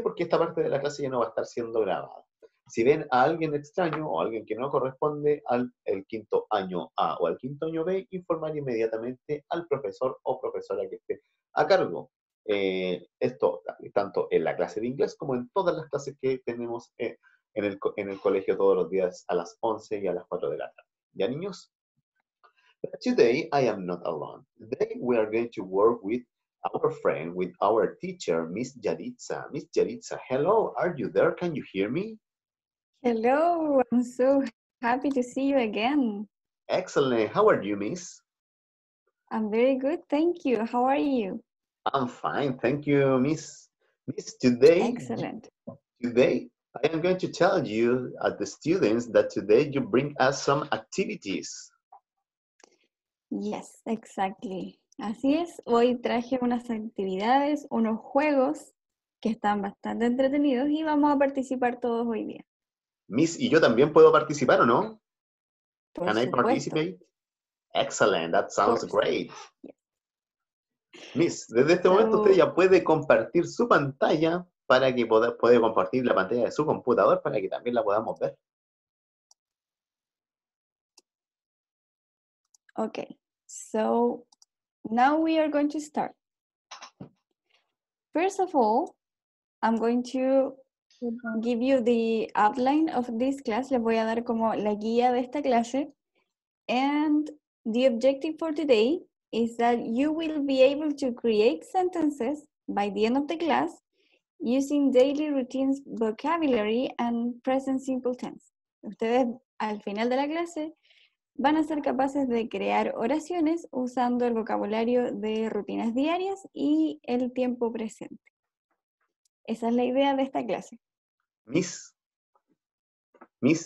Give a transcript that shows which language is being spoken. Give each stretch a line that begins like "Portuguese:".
Spanish: Porque esta parte de la clase ya no va a estar siendo grabada. Si ven a alguien extraño o a alguien que no corresponde al quinto año A o al quinto año B, informar inmediatamente al profesor o profesora que esté a cargo. Esto tanto en la clase de inglés como en todas las clases que tenemos en el colegio todos los días a las 11 y a las 4 de la tarde. ¿Ya, niños?
English: Today, I am not alone. Today, we are going to work with our friend, with our teacher, Miss Yaritza. Miss Yaritza, hello, are you there? Can you hear me? Hello, I'm so happy to see you again. Excellent. How are you, Miss? I'm very good, thank you. How are you? I'm fine, thank you, Miss. Miss, today... Excellent. Today... I am going to tell you, as the students, that today you bring us some activities. Yes, exactly.
Spanish: Así es, hoy traje unas actividades, unos juegos que están bastante entretenidos y vamos a participar todos hoy día. Miss, ¿y yo también puedo participar o no? Por supuesto.
English: Can I participate? Excellent, that sounds great.
Spanish: Yeah. Miss, desde este momento usted ya puede compartir su pantalla para que pueda compartir la pantalla de su computador para que también la podamos ver.
English: Okay, so now we are going to start. First of all, I'm going to give you the outline of this class.
Spanish: Les voy a dar como la guía de esta clase.
English: And the objective for today is that you will be able to create sentences by the end of the class using daily routines, vocabulary, and present simple tense.
Spanish: Ustedes, al final de la clase, van a ser capaces de crear oraciones usando el vocabulario de rutinas diarias y el tiempo presente. Esa es la idea de esta clase.
English: Miss,